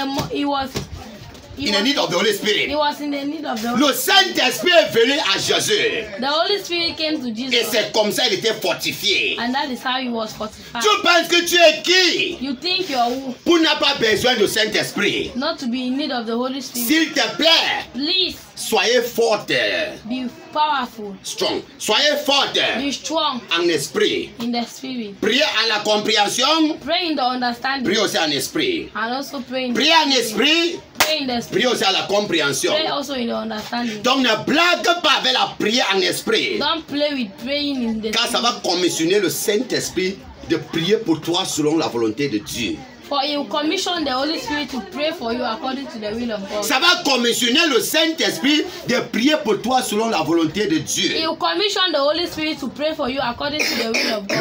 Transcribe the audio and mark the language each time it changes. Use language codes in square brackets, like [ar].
[en] He was in the need of the Holy Spirit. He was in the need of the [fr] Holy Spirit. Le Saint-Esprit est venu à Jésus. [en] The Holy Spirit came to Jesus. [fr] Et c'est comme ça qu'il était fortifié. [en] And that is how he was fortified. [fr] Tu penses que tu es qui? [en] You think you are who? [fr] Pour n'a pas besoin du Saint-Esprit. [en] Not to be in need of the Holy Spirit. [fr] S'il te plaît. [en] Please. [fr] Soyez forte. [en] Be powerful. [fr] Strong. Soyez forte. [en] Be strong. [fr] En esprit. [en] In the spirit. [fr] Priez à la compréhension. [en] Pray in the understanding. [fr] Priez aussi en esprit. [en] And also pray in [fr] priez [en] the [fr] en esprit. [en] Pray in the spirit. [fr] Priez aussi à la compréhension. [en] Pray also in the understanding. [fr] Donc ne blague pas avec la prière en esprit. [en] Don't play with praying in the spirit. [fr] Car ça va commissionner le Saint-Esprit de prier pour toi selon la volonté de Dieu. [en] For you commission the Holy Spirit to pray for you according to the will of God. [fr] Ça va commissionner le Saint-Esprit de prier pour toi selon la volonté de Dieu. [en] You commission the Holy Spirit to pray for you according to the will of God.